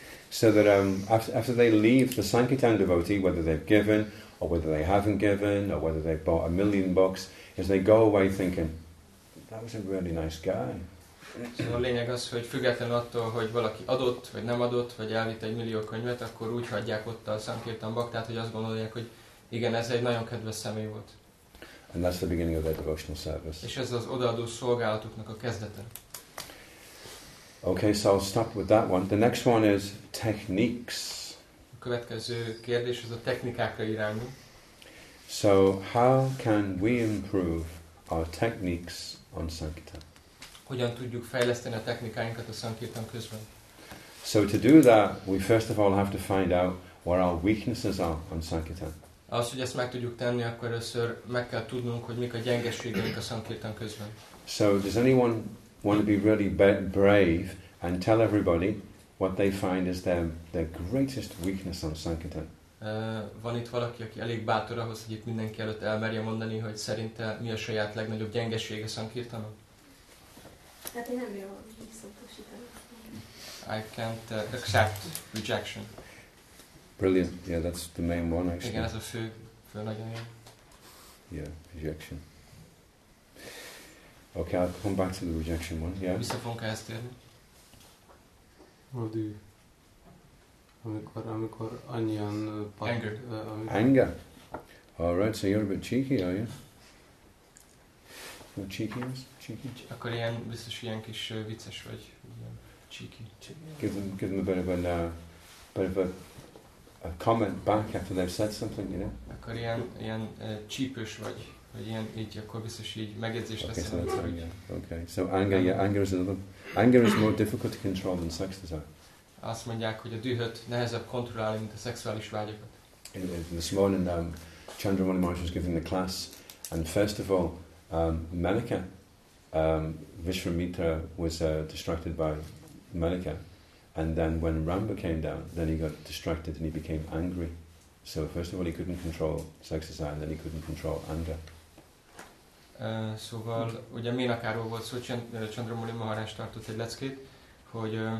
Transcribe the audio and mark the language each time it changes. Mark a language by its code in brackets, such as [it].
[en] So that after they leave the Sankirtan devotee, whether they've given or whether they haven't given, or whether they bought a million books, is they go away thinking, that was a really nice guy. [hu] So a lényeg az, hogy független attól, hogy valaki adott, vagy nem adott, vagy elvitt egy millió könyvet, akkor úgy hagyják ott a Sankirtan baktát, hogy azt gondolják, hogy igen, ez egy nagyon kedves személy volt. [en] And that's the beginning of their devotional service. [hu] És ez az odaadó szolgálatuknak a kezdete. [en] Okay, so I'll stop with that one. The next one is techniques. [hu] Következő kérdés az a technikákra irányul. [en] So, how can we improve our techniques on Sankirtan? [hu] Hogyan tudjuk fejleszteni a technikáinkat a Sankirtan közben? [en] So, to do that, we first of all have to find out where our weaknesses are on Sankirtan. [hu] Ahhoz, hogy ezt meg tudjuk tenni, akkor először meg kell tudnunk, hogy mik a gyengeségeink a Sankirtan közben. [en] So, does anyone want to be really brave and tell everybody what they find is their greatest weakness on Sankirtan? [hu] Van itt valaki, aki elég bátor ahhoz, hogy itt mindenki előtt elmerje mondani, hogy szerinte mi a saját legnagyobb gyengesége a Sankirtanon? Hát én nem jól visszatosítani. [en] I can't accept rejection. Brilliant. Yeah, that's the main one, actually. [hu] Igen, ez a fő nagyon jó. [en] Yeah, rejection. Okay, I'll come back to the rejection one. Yeah. [hu] Vissza fogunk ezt érni. Vagy amikor annyian [en] anger. All right, so you're a bit cheeky, are you? You're cheeky. [hu] Akkor ilyen biztos ilyen kis vicces vagy, ilyen cheeky. [en] Give them a bit of a comment back after they've said something, you know. [hu] Akkor ilyen csípős vagy, vagy ilyen így, akkor biztos így megjegyzést teszem. [en] Okay, so anger. Yeah, anger is another. Anger is more difficult to control than sex desire. [hu] Azt mondják, hogy a dühöt nehezebb kontrollálni, mint a szexuális vágyakat. [en] This morning, Chandramani Maharaj was giving the class, and first of all, Malika, Vishwamitra was distracted by Malika, and then when Ramba came down, then he got distracted and he became angry. So first of all, he couldn't control sex desire, and then he couldn't control anger. [hu] Szóval, ugye Ménakáról volt szó, Chandramani Maharaj tartott egy leckét, hogy